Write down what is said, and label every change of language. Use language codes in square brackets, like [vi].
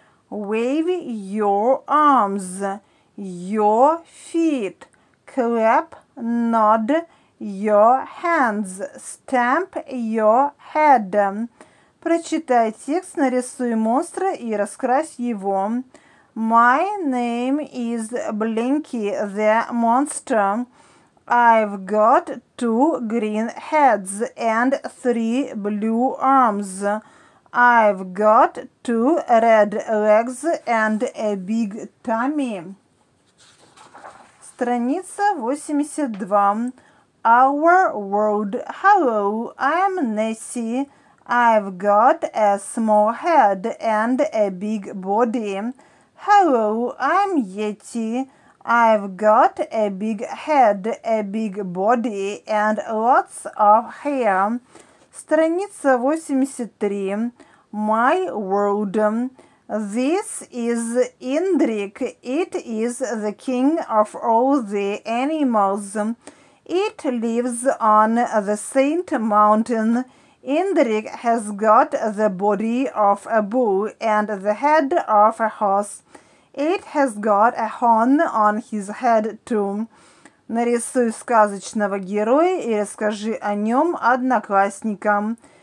[en] Wave your arms, your feet, clap, nod, your hands, stamp your head. [ru] Прочитай текст, нарисуй монстра и раскрась его. [en] My name is Blinky the Monster. I've got two green heads and three blue arms. I've got two red legs and a big tummy. [ru] Страница 82. [en] Our world. Hello, I'm Nessie. I've got a small head and a big body. Hello, I'm Yeti. I've got a big head, a big body and lots of hair. [ru] Страница 83. [en] My world. This is Indrik. It is the king of all the animals. It lives on the Saint Mountain. Indrik has got the body of a bull and the head of a horse. It has got a horn on his head too. [ru] Нарисуй сказочного героя и расскажи о нем одноклассникам.